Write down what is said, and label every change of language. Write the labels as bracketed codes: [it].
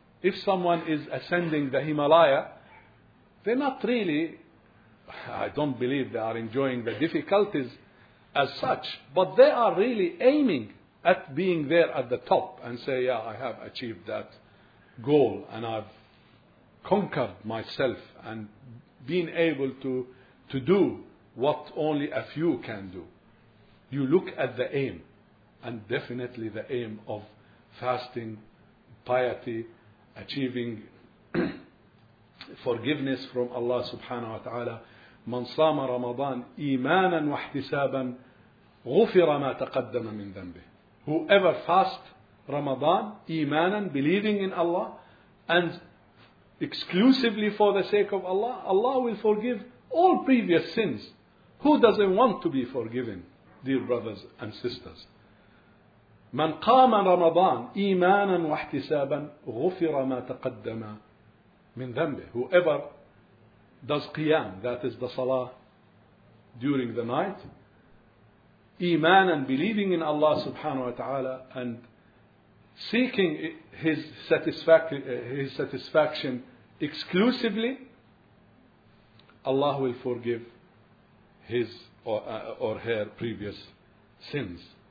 [en] If someone is ascending the Himalaya, they're not really, I don't believe they are enjoying the difficulties as such, but they are really aiming at being there at the top and say, yeah, I have achieved that goal and I've conquered myself and been able to do what only a few can do. You look at the aim, and definitely the aim of fasting, piety, achieving forgiveness from Allah subhanahu wa ta'ala. [ar] من صام رمضان إيمانا واحتسابا غفر ما تقدم من ذنبه. [en] Whoever fast Ramadan إيمانا, believing in Allah and exclusively for the sake of Allah, Allah will forgive all previous sins. Who doesn't want to be forgiven, dear brothers and sisters? [ar] من قام رمضان إيمانا واحتسابا غفر ما تقدم من ذنبه. [en] Whoever does qiyam, that is the salah during the night, iman and believing in Allah subhanahu wa ta'ala and seeking his satisfaction exclusively, Allah will forgive his or her previous sins.